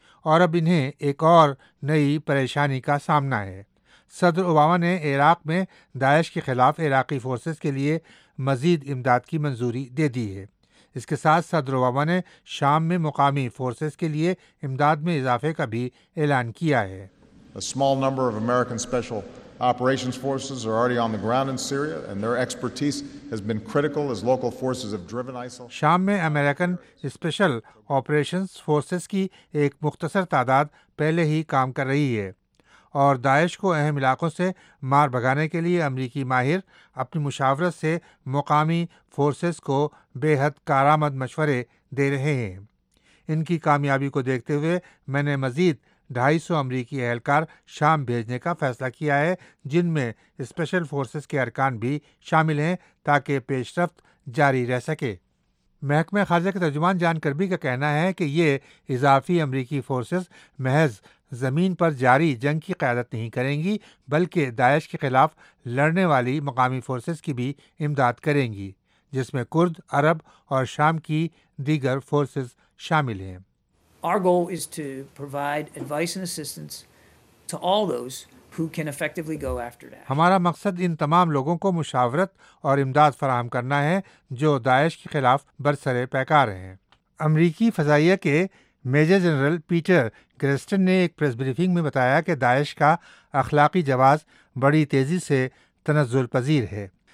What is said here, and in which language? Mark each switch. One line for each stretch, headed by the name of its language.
Urdu: اور اب انہیں ایک اور نئی پریشانی کا سامنا ہے۔ صدر اوباما نے عراق میں داعش کے خلاف عراقی فورسز کے لیے مزید امداد کی منظوری دے دی ہے۔ اس کے ساتھ صدر اوباما نے شام میں مقامی فورسز کے لیے امداد میں اضافے کا بھی اعلان کیا ہے۔
English: A small number of American special operations forces are already on the ground in Syria and their expertise has been critical as local forces have driven ISIL.
Urdu: شام میں امریکن اسپیشل آپریشنز فورسز کی ایک مختصر تعداد پہلے ہی کام کر رہی ہے، اور داعش کو اہم علاقوں سے مار بھگانے کے لیے امریکی ماہر اپنی مشاورت سے مقامی فورسز کو بے حد کارآمد مشورے دے رہے ہیں۔ ان کی کامیابی کو دیکھتے ہوئے میں نے مزید 250 امریکی اہلکار شام بھیجنے کا فیصلہ کیا ہے، جن میں اسپیشل فورسز کے ارکان بھی شامل ہیں تاکہ پیش رفت جاری رہ سکے۔ محکمہ خارجہ کے ترجمان جان کربی کا کہنا ہے کہ یہ اضافی امریکی فورسز محض زمین پر جاری جنگ کی قیادت نہیں کریں گی بلکہ داعش کے خلاف لڑنے والی مقامی فورسز کی بھی امداد کریں گی، جس میں کرد، عرب اور شام کی دیگر فورسز شامل ہیں۔
English: Our goal is to provide advice and assistance to all those who can effectively go after Daesh.
Urdu: ہمارا مقصد ان تمام لوگوں کو مشاورت اور امداد فراہم کرنا ہے جو داعش کے خلاف برسر پیکار ہیں۔ امریکی فضائیہ کے میجر جنرل پیٹر گریسٹن نے ایک پریس بریفنگ میں بتایا کہ داعش کا اخلاقی جواز بڑی تیزی سے تنزل پذیر ہے۔